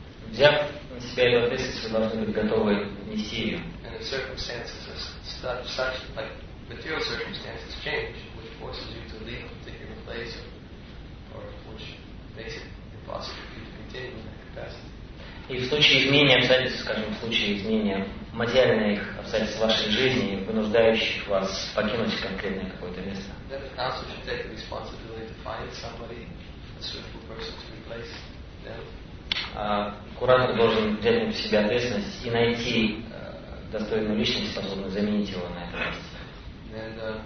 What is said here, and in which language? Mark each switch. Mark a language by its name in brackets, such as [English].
[Russian] Взяв на себя эту ответственность, вы должны быть готовы нести ее. [English] And the circumstances are such, like material circumstances change, which forces you to leave a particular place, or which makes it impossible for you to continue in that capacity. [Russian] И в случае изменения обстоятельств, скажем, в случае изменения материальных обстоятельств вашей жизни, вынуждающих вас покинуть конкретное какое-то место. [English] Then the council should take the responsibility to find somebody, a suitable person to replace them. [Russian] Куратор должен взять на себя ответственность и найти достойную личность, способную заменить его на это